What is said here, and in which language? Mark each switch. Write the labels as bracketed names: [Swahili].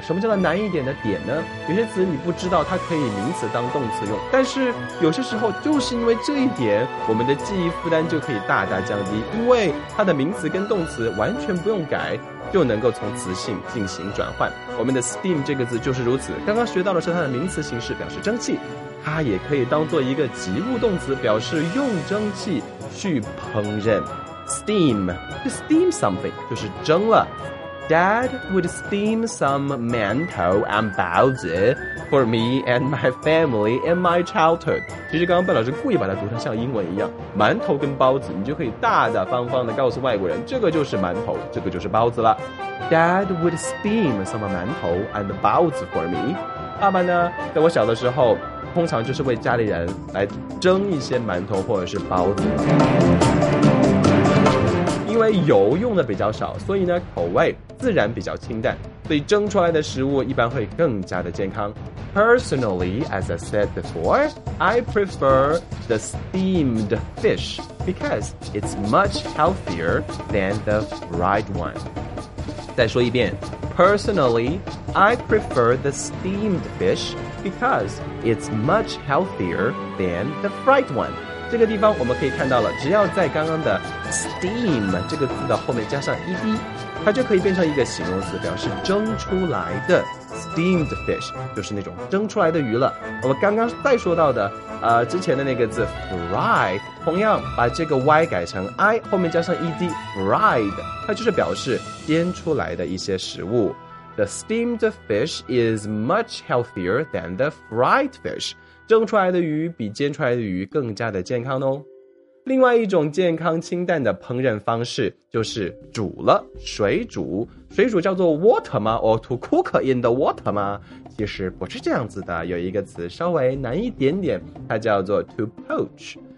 [Chinese] 什么叫做难一点的点呢？有些词你不知道它可以名词当动词用，但是有些时候就是因为这一点，我们的记忆负担就可以大大降低，因为它的名词跟动词完全不用改，就能够从词性进行转换。我们的 steam 这个字就是如此，刚刚学到的是它的名词形式表示蒸汽，它也可以当做一个及物动词表示用蒸汽去烹饪。 [English] Steam, to steam something, [Chinese] 就是蒸了。 [English] Dad would steam some mantou and baozi for me and my family in my childhood. [Chinese] 其实刚刚笨老师故意把它读成像英文一样，馒头跟包子，你就可以大大方方地告诉外国人，这个就是馒头，这个就是包子了。 [English] Dad would steam some mantou and baozi for me. [Chinese] 爸爸呢，在我小的时候，通常就是为家里人来蒸一些馒头或者是包子。因为油用的比较少，所以呢口味自然比较清淡，所以蒸出来的食物一般会更加的健康。 [English] Personally, as I said before, I prefer the steamed fish because it's much healthier than the fried one. [Chinese] 再说一遍。 [English] Personally, I prefer the steamed fish because it's much healthier than the fried one. [Chinese] 这个地方我们可以看到了，只要在刚刚的 steam 这个字的后面加上 ed, 它就可以变成一个形容词，表示蒸出来的 steamed fish, 就是那种蒸出来的鱼了。我们刚刚再说到的之前的那个字 fry, 同样把这个 y 改成 i, 后面加上 ed, fried, 它就是表示煎出来的一些食物。 [English] The steamed fish is much healthier than the fried fish. [Chinese] 蒸出来的鱼比煎出来的鱼更加的健康哦。另外一种健康清淡的烹饪方式就是煮了，水煮。水煮叫做 water 吗？ [English] Or to cook in the water [Chinese] 吗？其实不是这样子的，有一个词稍微难一点点，它叫做 to poach.